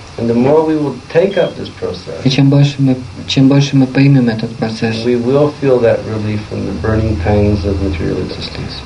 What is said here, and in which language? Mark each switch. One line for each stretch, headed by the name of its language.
English: And the more we will take up this process.
Russian: И чем больше мы примем этот процесс.
English: We will feel that relief from the burning pains of material existence.